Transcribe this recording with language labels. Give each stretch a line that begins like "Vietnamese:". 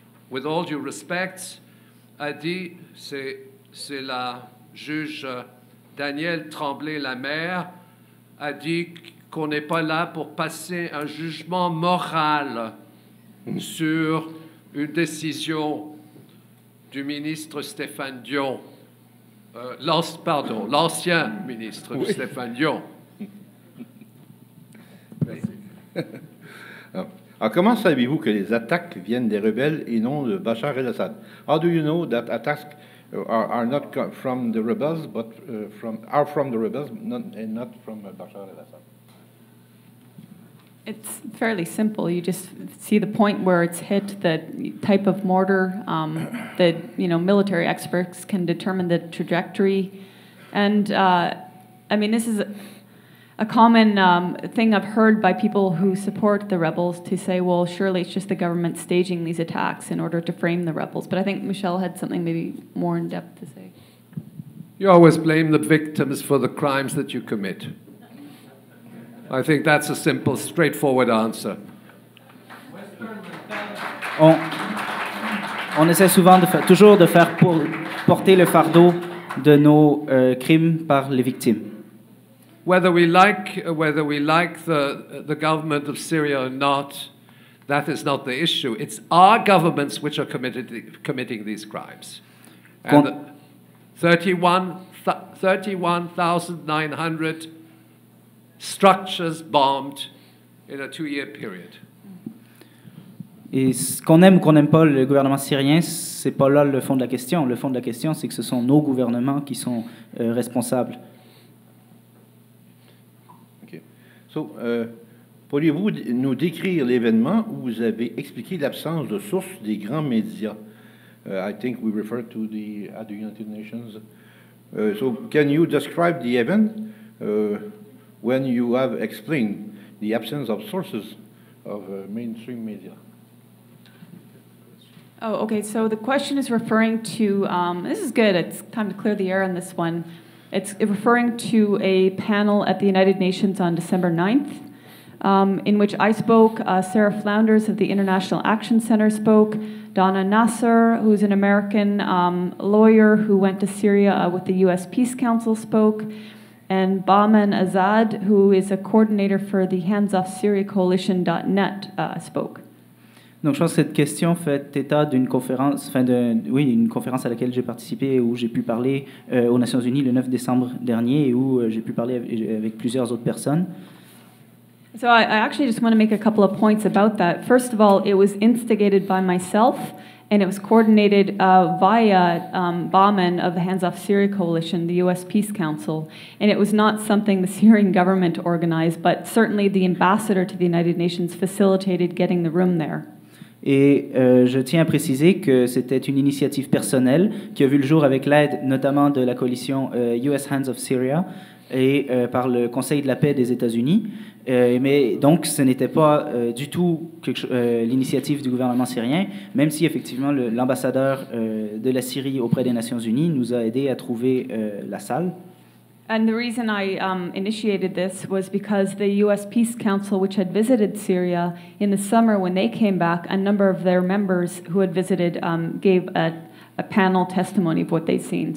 English: with all due respect,
French: a dit, c'est la juge Danielle Tremblay-Lamère, a dit qu'on n'est pas là pour passer un jugement moral sur une décision du ministre Stéphane Dion, l'ancien ministre oui. Stéphane Dion. Merci. Alors, comment savez-vous que les attaques viennent des rebelles et non de Bachar el-Assad?
English: How do you know that attacks are not from the rebels, but from the rebels and not from Bachar el-Assad? It's fairly simple. You just see the point where it's hit, the type of mortar, that, you know, military experts can determine the trajectory. And, I mean, this is a common thing I've heard by people who support the rebels to say, well, surely it's just the government staging these attacks in order to frame the rebels. But I think Michel had something maybe more in depth to say. You always blame the victims for the crimes that you commit. I think that's a simple, straightforward answer.
French: On essaie souvent de faire porter le fardeau de nos crimes par les victimes.
English: Whether we like the government of Syria or not, That is not the issue. It's our governments which are committing these crimes. And 31,900 structures bombed in a two-year period.
French: Et qu'on aime ou qu'on n'aime pas le gouvernement syrien, ce n'est pas là le fond de la question. Le fond de la question, c'est que ce sont nos gouvernements qui sont responsables.
English: OK.
French: So, pourriez-vous nous décrire l'événement où vous avez expliqué l'absence de source des grands médias?
English: I think we refer to the, at the United Nations. So, can you describe the event when you have explained the absence of sources of mainstream media? Oh, okay. So the question is referring to, this is good. It's time to clear the air on this one. It's referring to a panel at the United Nations on December 9th, in which I spoke, Sarah Flounders of the International Action Center spoke, Donna Nasser, who's an American lawyer who went to Syria with the U.S. Peace Council spoke, and Bahman Azad, who is a coordinator for the HandsOffSyriaCoalition.net spoke.
French: Donc, je pense que cette question fait état d'une conférence, une conférence à laquelle j'ai participé et où j'ai pu parler aux Nations Unies le 9 décembre dernier et où j'ai pu parler avec plusieurs autres personnes.
English: So, I actually just want to make a couple of points about that. First of all, it was instigated by myself and it was coordinated via Bahman of the Hands Off Syria Coalition, the U.S. Peace Council. And it was not something the Syrian government organized, but certainly the ambassador to the United Nations facilitated getting the room there.
French: Et je tiens à préciser que c'était une initiative personnelle qui a vu le jour avec l'aide notamment de la coalition US Hands of Syria et par le Conseil de la paix des États-Unis. Mais donc ce n'était pas du tout l'initiative du gouvernement syrien, même si effectivement l'ambassadeur de la Syrie auprès des Nations Unies nous a aidé à trouver la salle.
English: And the reason I initiated this was because the U.S. Peace Council, which had visited Syria in the summer when they came back, a number of their members who had visited gave a panel testimony of what they'd seen.